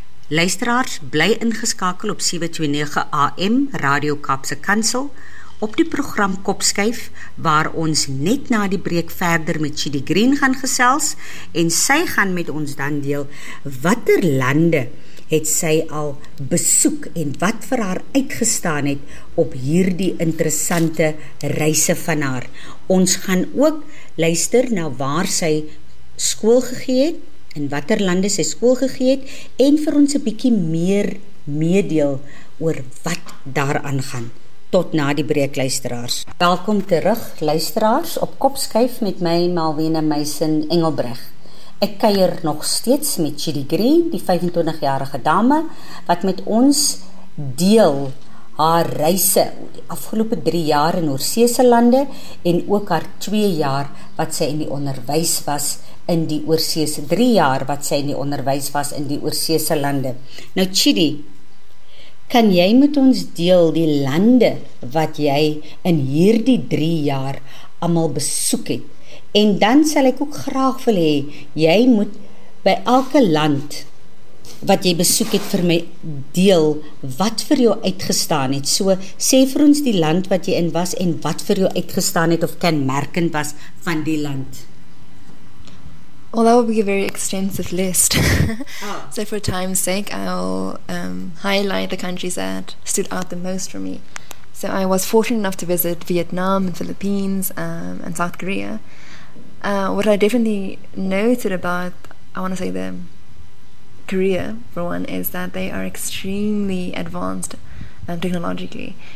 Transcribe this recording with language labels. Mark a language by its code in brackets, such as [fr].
[af] Luisteraars, bly ingeskakel op 729 AM Radio Kaapse Kansel, op die program Kopskuif, waar ons net na die breek verder met Chidi Green gaan gesels, en sy gaan met ons dan deel, watter lande het sy al besoek, en wat vir haar uitgestaan het, op hierdie interessante reise van haar. Ons gaan ook luister na waar sy skool gegee het, in watter lande sy skool gegee het, en vir ons 'n bietjie meer meedeel oor wat daaraan gaan. Tot na die breek, luisteraars. Welkom terug, luisteraars, op Kopskuif met my, Malwena Meisen Engelbreg. Ek kuier nog steeds met Chidi Green, die 25-jarige dame, wat met ons deel haar reise die afgelope 3 jaar in Oorseese lande en ook haar 2 jaar wat sy in die onderwys was in die Oorseese, 3 jaar wat sy in die onderwys was in die Oorseese lande. Nou Chidi, kan jy met ons deel die lande wat jy in hierdie 3 jaar allemaal besoek het? En dan sal ek ook graag wil hê, jy moet by elke land wat jy besoek het vir my deel, wat vir jou uitgestaan het. So, sê vir ons die land wat jy in was en wat vir jou uitgestaan het of kenmerkend was van die land. [en] Well, that would be a very extensive list. So for time's sake, I'll highlight the countries that stood out the most for me. So I was fortunate enough to visit Vietnam, the Philippines, and South Korea. What I definitely noted about, I want to say the Korea, for one, is that they are extremely advanced technologically.